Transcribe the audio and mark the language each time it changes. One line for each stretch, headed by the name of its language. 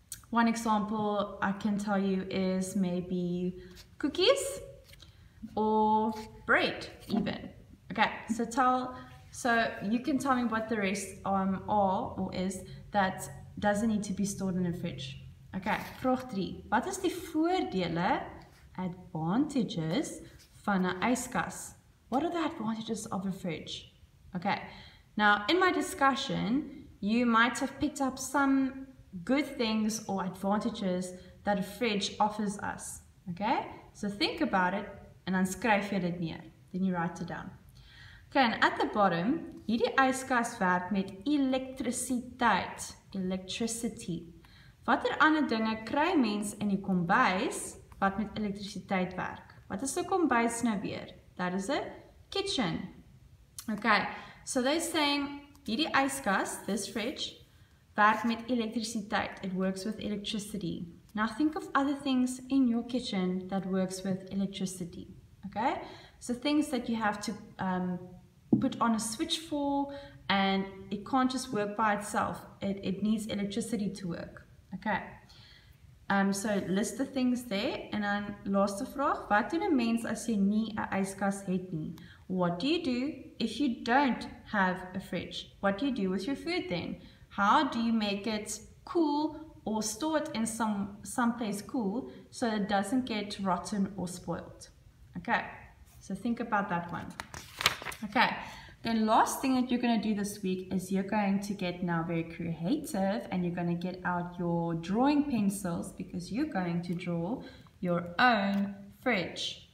English: One example I can tell you is maybe cookies or bread even. Okay, so you can tell me what the rest is that doesn't need to be stored in a fridge.
Afrikaans: Okay, vraag 3. Wat is die voordele, advantages van 'n yskas?
English: What are the advantages of a fridge? Okay. Now, in my discussion, you might have picked up some good things or advantages that a fridge offers us, okay? So think about it and
Afrikaans: dan skryf jy dit neer.
English: Then you write it down. Okay, and at the bottom,
Afrikaans: hierdie yskas werk met elektrisiteit. Electricity. Watter ander dinge kry mens in die kombuis wat met elektrisiteit werk? Wat is 'n kombuis nou weer?
English: That is a kitchen. Okay, so they're saying
Afrikaans: hierdie yskas,
English: this fridge,
Afrikaans: werk met elektrisiteit.
English: It works with electricity. Now think of other things in your kitchen that works with electricity. Okay, so things that you have to put on a switch for, and it can't just work by itself. It needs electricity to work. Okay, so list the things there, and then
Afrikaans: laaste vraag, wat doen 'n mens as jy nie 'n yskas het nie?
English: What do you do if you don't have a fridge? What do you do with your food then? How do you make it cool or store it in some place cool so it doesn't get rotten or spoiled? Okay, so think about that one. Okay, the last thing that you're going to do this week is you're going to get now very creative and you're going to get out your drawing pencils because you're going to draw your own fridge.